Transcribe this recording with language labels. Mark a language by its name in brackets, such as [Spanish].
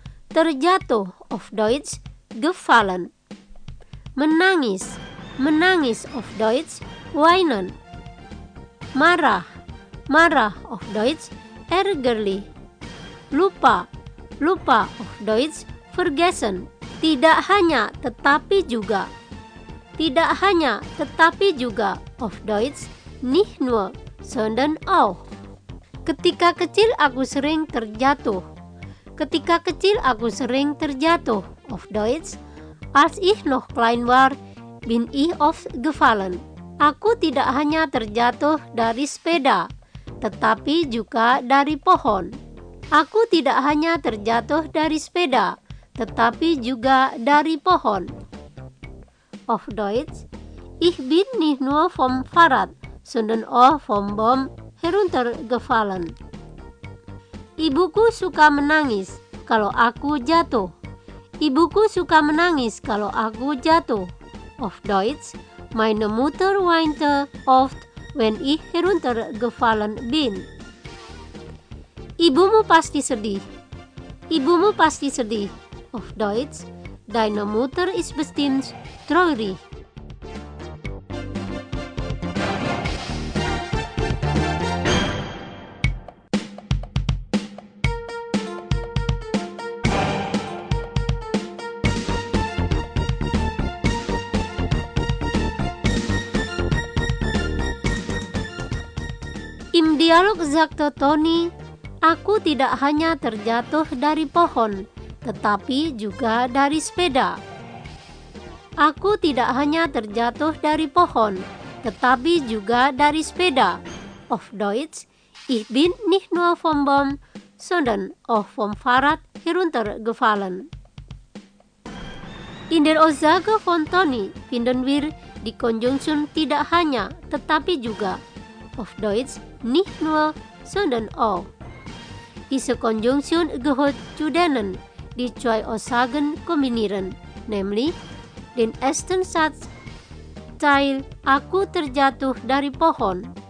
[German] Terjatuh, auf Deutsch, gefallen. Menangis. Menangis, auf Deutsch, weinen. Marah. Marah, auf Deutsch, ärgerlich. Lupa, lupa, auf Deutsch, vergessen. [Indonesian] Tidak hanya, tetapi juga. Tidak hanya, tetapi juga, [German] auf Deutsch, nicht nur, sondern auch. [Indonesian] Ketika kecil aku sering terjatuh. Ketika kecil aku sering terjatuh, [German] auf Deutsch. Als ich noch klein war, bin ich oft gefallen. [Indonesian] Aku tidak hanya terjatuh dari sepeda, tetapi juga dari pohon. Aku tidak hanya terjatuh dari sepeda, tetapi juga dari pohon. [German] Auf Deutsch, ich bin nicht nur vom Fahrrad, sondern auch vom Baum heruntergefallen. [Indonesian] Ibuku suka menangis kalau aku jatuh. Ibuku suka menangis kalau aku jatuh. [German] Auf Deutsch, meine Mutter weinte oft, wenn ich heruntergefallen bin. [Indonesian] Ibumu pasti sedih. Ibumu pasti sedih. [German] Auf Deutsch, deine Mutter ist bestimmt traurig. Im Dialog sagte Toni, [Indonesian] aku tidak hanya terjatuh dari pohon, tetapi juga dari sepeda. Aku tidak hanya terjatuh dari pohon, tetapi juga dari sepeda. [German] Auf Deutsch, ich bin nicht nur vom Baum, sondern auch vom Fahrrad heruntergefallen. In der Aussage von Toni finden wir die Konjunktion [Indonesian] tidak hanya, tetapi juga. [German] Auf Deutsch, nicht nur, sondern auch. Diese Konjunktion gehört zu denen, die zwei Aussagen kombinieren, nämlich den ersten Satz, Teil, [Indonesian] aku terjatuh dari pohon.